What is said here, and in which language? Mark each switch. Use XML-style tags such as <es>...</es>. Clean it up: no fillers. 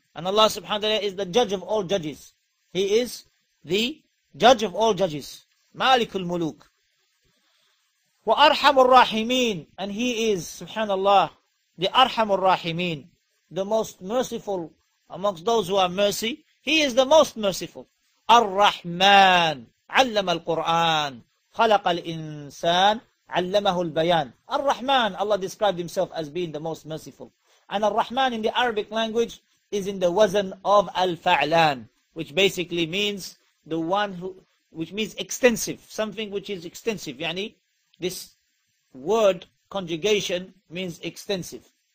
<en>And Allah subhanahu wa ta'ala is the judge of all judges. He is the judge of all judges. Malikul muluk. Wa arhamur rahimin, and he is, subhanallah, the arhamur rahimin, the most merciful amongst those who are mercy. He is the most merciful.</en> <ar>Ar-Rahman, عَلَّمَ Al-Quran, خَلَقَ الْإِنسَانِ عَلَّمَهُ الْبَيَانِ.</ar> <en>Ar-Rahman, Allah described himself as being the most merciful. And Ar-Rahman in the Arabic language is in the wazan of al-fa'lan, which basically means the one who, which means extensive, something which is extensive. Yani, this word conjugation means extensive.</en>